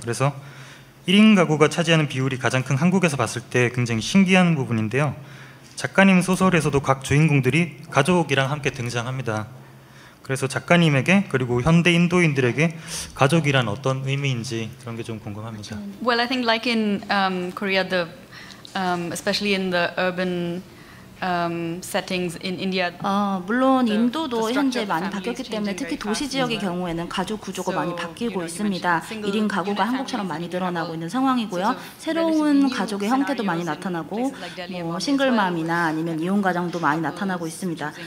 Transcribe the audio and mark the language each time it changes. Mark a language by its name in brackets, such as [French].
[Korean] 그래서 1인 가구가 차지하는 비율이 가장 큰 한국에서 봤을 때 굉장히 신기한 부분인데요. 작가님 소설에서도 각 주인공들이 가족이랑 함께 등장합니다. 그래서 작가님에게 그리고 현대 인도인들에게 가족이란 어떤 의미인지 그런 게 좀 궁금합니다. [English] Well, I think like in Korea, the especially in the urban settings in India. [Korean] 아, 물론 인도도 현재 많이 바뀌었기 때문에 특히 도시 지역의 경우에는 가족 구조가 많이 바뀌고 있습니다. 1인 가구가 한국처럼 많이 늘어나고 있는 상황이고요. 새로운 가족의 형태도 많이 나타나고 뭐 싱글맘이나 아니면 이혼 가정도 많이 나타나고 있습니다.